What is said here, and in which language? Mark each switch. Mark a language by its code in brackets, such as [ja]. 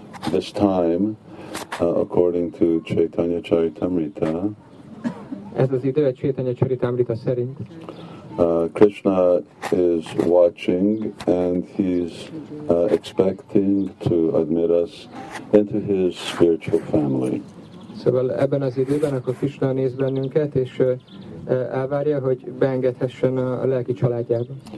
[en] This time, according to Chaitanya Charitamrita, [hu] ez az idő a Chaitanya Charitamrita szerint. [en] Krishna is watching and he's expecting to admit us into his spiritual family. [hu] Szóval ebben az időben akkor Krishna néz bennünket és elvárja, hogy beengedhessen a lelki családjába.